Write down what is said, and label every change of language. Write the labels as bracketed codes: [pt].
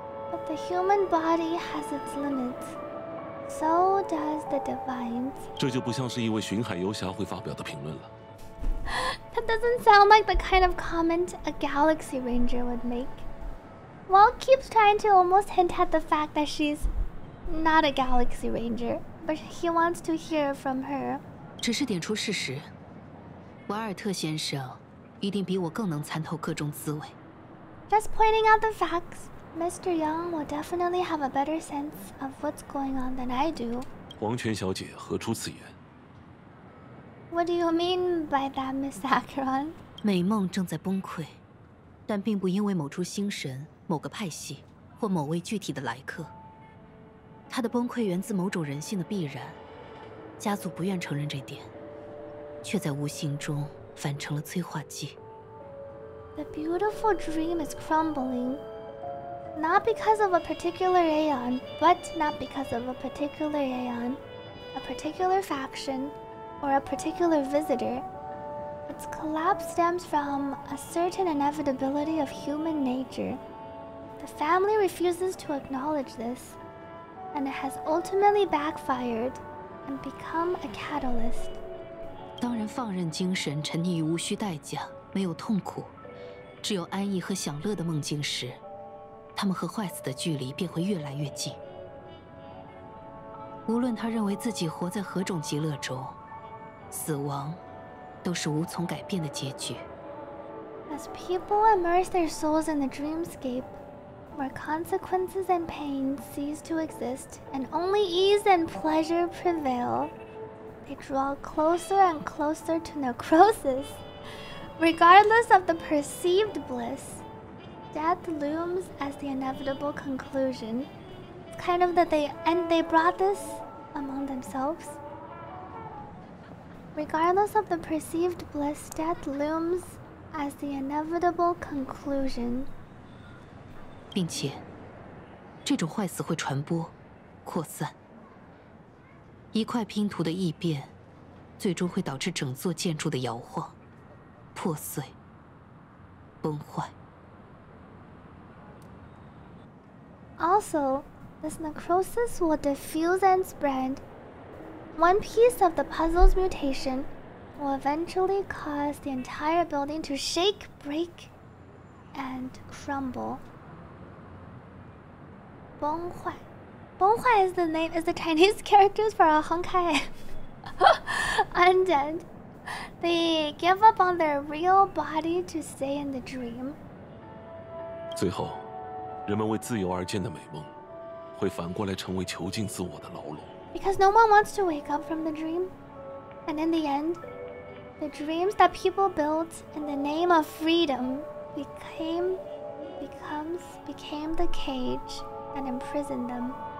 [en] But the human body has its limits. So does the divine. [zh] 这就不像是一位巡海游侠会发表的评论了。 [en] That doesn't sound like the kind of comment a galaxy ranger would make. Walt keeps trying to almost hint at the fact that she's not a galaxy ranger, but he wants to hear from her. [zh] 只是点出事实，瓦尔特先生一定比我更能参透各种滋味。 [en] Just pointing out the facts, Mr. Young will definitely have a better sense of what's going on than I do. [zh] 黄泉小姐何出此言？ [en] What do you mean by that, Miss Acheron? [zh] 美梦正在崩溃，但并不因为某处星神、某个派系或某位具体的来客。他的崩溃源自某种人性的必然，家族不愿承认这点，却在无形中反成了催化剂。 [en] The beautiful dream is crumbling, not because of a particular aeon, but not because of a particular aeon, a particular faction. Or a particular visitor. Its collapse stems from a certain inevitability of human nature. The family refuses to acknowledge this, and it has ultimately backfired and become a catalyst. [zh] 当人放任精神沉溺于无需代价、没有痛苦、只有安逸和享乐的梦境时，他们和坏死的距离便会越来越近。无论他认为自己活在何种极乐中。死亡都是无从改变的结局。 [en] As people immerse their souls in the dreamscape, where consequences and pain cease to exist, and only ease and pleasure prevail, they draw closer and closer to necrosis. Regardless of the perceived bliss, death looms as the inevitable conclusion. It's kind of that they, and they brought this among themselves. Regardless of the perceived bliss, death looms as the inevitable conclusion. [zh] 并且，这种坏死会传播、扩散。一块拼图的异变，最终会导致整座建筑的摇晃、破碎、崩坏。 [en] Also, this necrosis will diffuse and spread. One piece of the puzzle's mutation will eventually cause the entire building to shake, break, and crumble. 崩坏，崩坏 is the name is the Chinese characters for a honkai undead. They give up on their real body to stay in the dream. [zh] 最后，人们为自由而建的美梦，会反过来成为囚禁自我的牢笼。 [en] Because no one wants to wake up from the dream. And in the end, the dreams that people built in the name of freedom became the cage that imprisoned them.